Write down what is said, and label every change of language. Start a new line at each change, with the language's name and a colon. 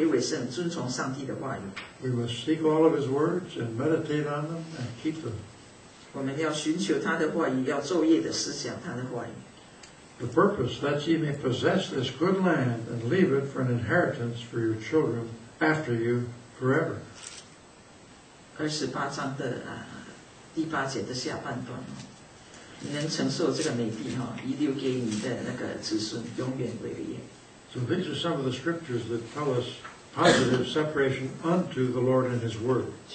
Chinese: 如果我们真正的愿意来顺从，要分别为圣，遵从上帝的话语。
English: We must seek all of His words and meditate on them and keep them.
Chinese: 我们要寻求他的话语，要昼夜的思想他的话语。
English: The purpose that ye may possess this good land and leave it for an inheritance for your children after you forever.
Chinese: 28章的第8节的下半段。你能承受这个美地，遗留给你的那个子孙，永远为业。
English: So these are some of the scriptures that tell us positive separation unto the Lord and His Word.